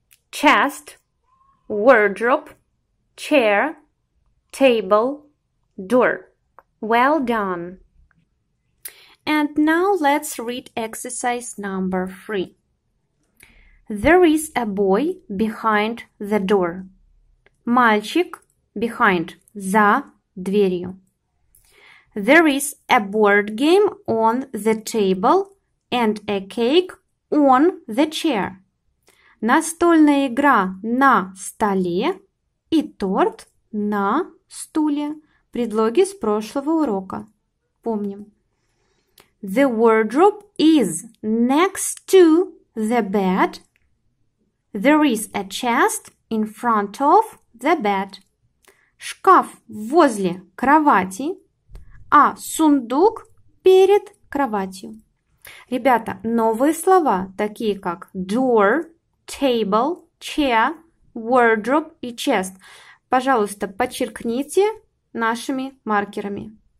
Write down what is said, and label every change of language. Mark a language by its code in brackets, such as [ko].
[en] Chest, wardrobe, chair, table, door. Well done. And now let's read exercise number 3. There is a boy behind the door. [ru] Мальчик behind, за дверью. [en] There is a board game on the table and a cake on the chair. [ru] Настольная игра на столе и торт на стуле. Предлоги с прошлого урока. Помним. [en] The wardrobe is next to the bed. There is a chest in front of the bed. [ru] Шкаф возле кровати, а сундук перед кроватью. Ребята, новые слова, такие как door, table, chair, wardrobe и chest, пожалуйста, подчеркните нашими маркерами.